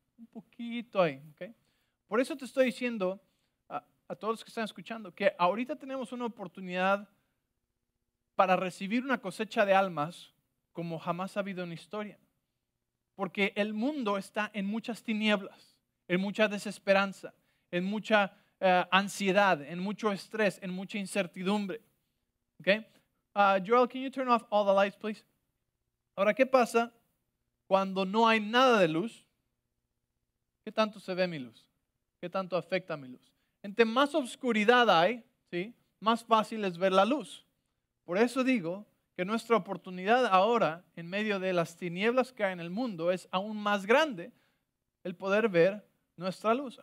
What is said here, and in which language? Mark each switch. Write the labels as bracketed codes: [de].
[es] Un poquito ahí, ¿ok? Por eso te estoy diciendo a todos los que están escuchando que ahorita tenemos una oportunidad para recibir una cosecha de almas como jamás ha habido en la historia. Porque el mundo está en muchas tinieblas, en mucha desesperanza, en mucha ansiedad, en mucho estrés, en mucha incertidumbre. ¿Okay? [en] Joel, can you turn off all the lights, please? [es] Ahora, ¿qué pasa cuando no hay nada de luz? ¿Qué tanto se ve mi luz? ¿Qué tanto afecta mi luz? Entre más oscuridad hay, ¿sí?, más fácil es ver la luz. Por eso digo que nuestra oportunidad ahora, en medio de las tinieblas que hay en el mundo, es aún más grande el poder ver nuestra luz.